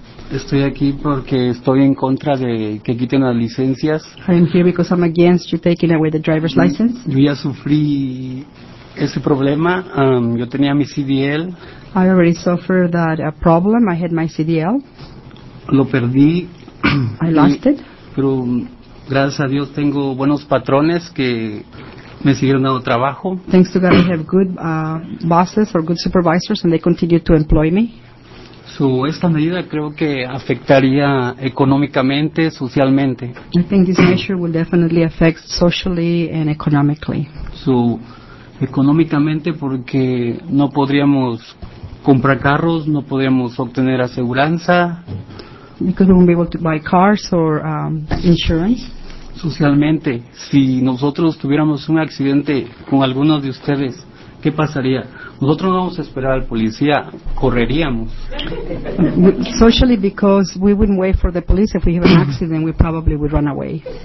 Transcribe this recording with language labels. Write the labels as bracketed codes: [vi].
[es] Estoy aquí porque estoy en contra de que quiten las licencias. [en] I am here because I'm against you taking away the driver's license. [es] Yo ya sufrí ese problema. Yo tenía mi CDL. [en] I already suffered that problem. I had my CDL. [es] Lo perdí. [en] I lost it. [es] Pero gracias a Dios tengo buenos patrones que me siguieron dando trabajo. [en] Thanks to God I have good bosses or good supervisors and they continue to employ me. [es] So, esta medida creo que afectaría económicamente, socialmente. [en] I think this measure will definitely affect socially and economically. [es] So, económicamente porque no podríamos comprar carros, no podríamos obtener aseguranza. [en] Because we won't be able to buy cars or insurance. [es] Socialmente, si nosotros tuviéramos un accidente con algunos de ustedes, ¿qué pasaría? Nosotros no vamos a esperar al policía, correríamos. [en] Socially, because we wouldn't wait for the police. If we have an accident, we probably would run away.